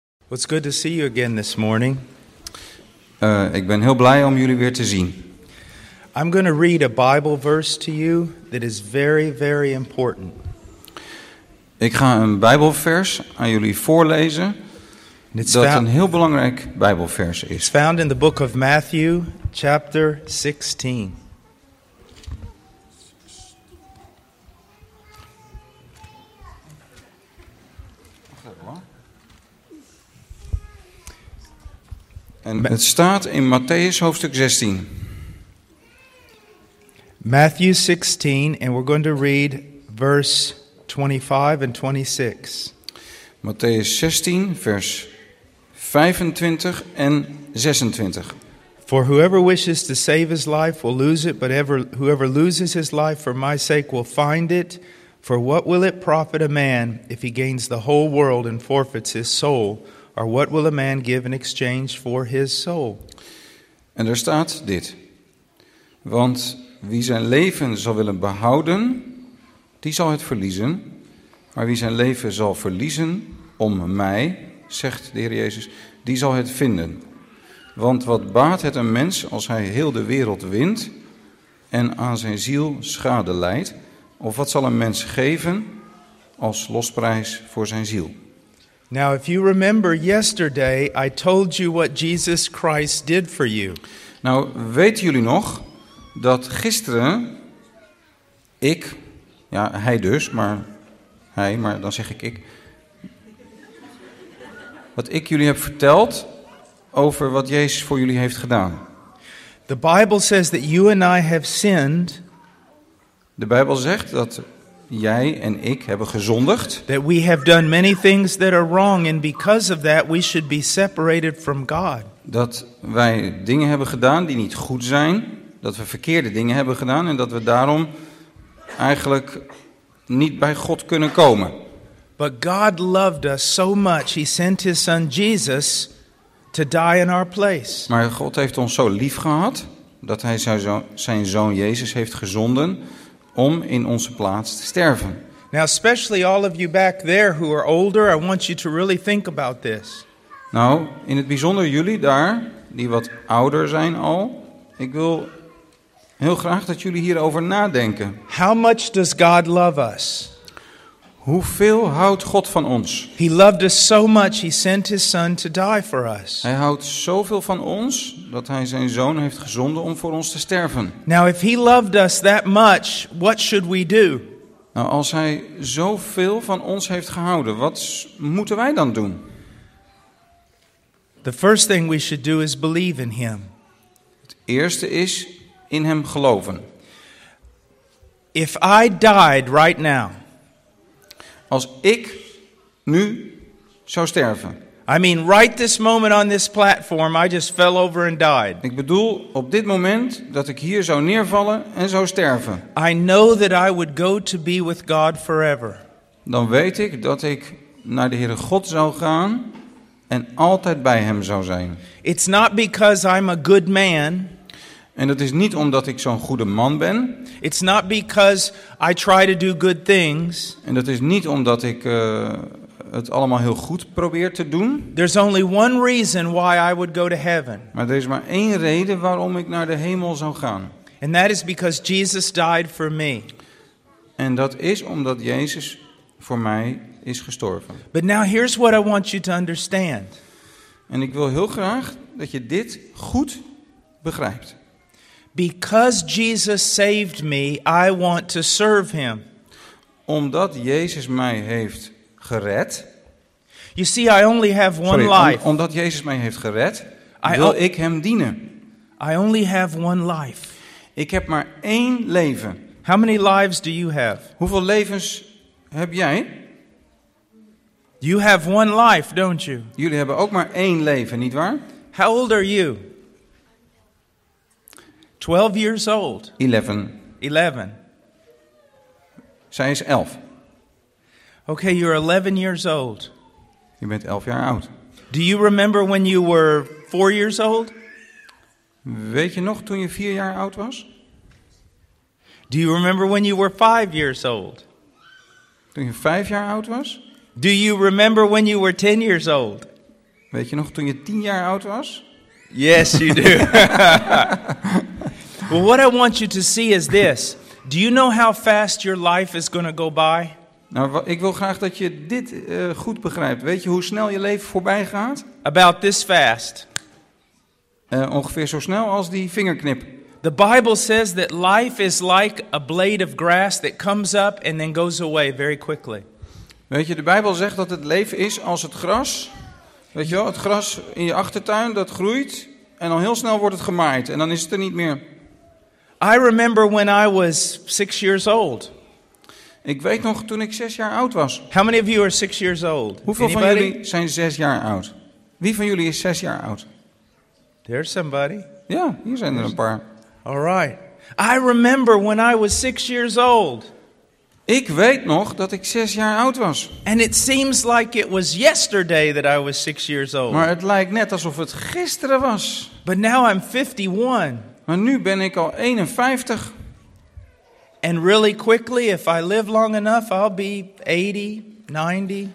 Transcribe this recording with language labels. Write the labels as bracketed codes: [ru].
[en] It's good to see you again this morning. [nl] Ik ben heel blij om jullie weer te zien. [en] I'm going to read a Bible verse to you that is very, very important. [nl] Ik ga een Bijbelvers aan jullie voorlezen dat een heel belangrijk Bijbelvers is. [en] It's found in the book of Matthew, chapter 16. [nl] En het staat in Matthäus hoofdstuk 16. [en] Matthew 16, and we're going to read verse 25 and 26. [nl] Matthäus 16, vers 25 en 26. [en] For whoever wishes to save his life will lose it, but whoever loses his life for my sake will find it. For what will it profit a man if he gains the whole world and forfeits his soul? Or what will a man give in exchange for his soul? [nl] En er staat dit. Want wie zijn leven zal willen behouden, die zal het verliezen. Maar wie zijn leven zal verliezen om mij, zegt de Heer Jezus, die zal het vinden. Want wat baat het een mens als hij heel de wereld wint en aan zijn ziel schade leidt? Of wat zal een mens geven als losprijs voor zijn ziel? [en] Now, if you remember yesterday, I told you what Jesus Christ did for you. [nl] Nou, weten jullie nog dat gisteren ik, ja, hij dus, maar hij, maar dan zeg ik. Wat ik jullie heb verteld over wat Jezus voor jullie heeft gedaan. [en] The Bible says that you and I have sinned. [nl] De Bijbel zegt dat jij en ik hebben gezondigd. [en] That we have done many things that are wrong, and because of that we should be separated from God. [nl] Dat wij dingen hebben gedaan die niet goed zijn, dat we verkeerde dingen hebben gedaan en dat we daarom eigenlijk niet bij God kunnen komen. [en] But God loved us so much, he sent his son Jesus to die in our place. [nl] Maar God heeft ons zo lief gehad dat hij zijn zoon Jezus heeft gezonden om in onze plaats te sterven. [en] Now, especially all of you back there who are older, I want you to really think about this. [nl] Nou, in het bijzonder jullie daar die wat ouder zijn al, ik wil heel graag dat jullie hierover nadenken. [en] How much does God love us? [nl] Hoeveel houdt God van ons? [en] He loved us so much, he sent his son to die for us. [nl] Hij houdt zoveel van ons dat hij zijn zoon heeft gezonden om voor ons te sterven. [en] Now if he loved us that much, what should we do? [nl] Nou, als hij zoveel van ons heeft gehouden, wat moeten wij dan doen? [en] The first thing we should do is believe in him. [nl] Het eerste is in hem geloven. [en] If I died right now, [nl] als ik nu zou sterven. [en] I mean, right this moment on this platform, I just fell over and died. [nl] Ik bedoel, op dit moment dat ik hier zou neervallen en zou sterven. [en] I know that I would go to be with God forever. [nl] Dan weet ik dat ik naar de Heere God zou gaan en altijd bij hem zou zijn. [en] It's not because I'm a good man. [nl] En dat is niet omdat ik zo'n goede man ben. [en] It's not because I try to do good things. [nl] En dat is niet omdat ik het allemaal heel goed probeer te doen. [en] There's only one reason why I would go to heaven. [nl] Maar er is maar één reden waarom ik naar de hemel zou gaan. [en] And that is because Jesus died for me. [nl] En dat is omdat Jezus voor mij is gestorven. [en] But now here's what I want you to understand. [nl] En ik wil heel graag dat je dit goed begrijpt. [en] Because Jesus saved me, I want to serve him. [nl] Omdat Jezus mij heeft gered. [en] You see, I only have one life. [nl] Omdat Jezus mij heeft gered, wil ik hem dienen. [en] I only have one life. [nl] Ik heb maar één leven. [en] How many lives do you have? [nl] Hoeveel levens heb jij? [en] You have one life, don't you? [nl] Jullie hebben ook maar één leven, niet waar? [en] How old are you? 12 years old. 11. 11. [nl] Zij is 11. [en] Okay, you're 11 years old. [nl] Je bent 11 jaar oud. [en] Do you remember when you were 4 years old? [nl] Weet je nog toen je 4 jaar oud was? [en] Do you remember when you were 5 years old? [nl] Toen je 5 jaar oud was? [en] Do you remember when you were 10 years old? [nl] Weet je nog toen je 10 jaar oud was? [en] Yes, you do. Well, what I want you to see is this. Do you know how fast your life is going to go by? [nl] Nou, ik wil graag dat je dit goed begrijpt. Weet je hoe snel je leven voorbij gaat? [en] About this fast. [nl] Ongeveer zo snel als die vingerknip. [en] The Bible says that life is like a blade of grass that comes up and then goes away very quickly. [nl] Weet je, de Bijbel zegt dat het leven is als het gras. Weet je wel, het gras in je achtertuin dat groeit en dan heel snel wordt het gemaaid en dan is het er niet meer. [en] I remember when I was 6 years old. [nl] Ik weet nog toen ik 6 jaar oud was. [en] How many of you are 6 years old? [nl] Hoeveel [en] Anybody? [nl] Van jullie zijn 6 jaar oud? Wie van jullie is 6 jaar oud? [en] There's somebody. [nl] Ja, hier zijn er een paar. [en] All right. I remember when I was 6 years old. [nl] Ik weet nog dat ik 6 jaar oud was. [en] And it seems like it was yesterday that I was 6 years old. [nl] Maar het lijkt net alsof het gisteren was. [en] But now I'm 51. [nl] Maar nu ben ik al 51. [en] And really quickly, if I live long enough, I'll be 80, 90.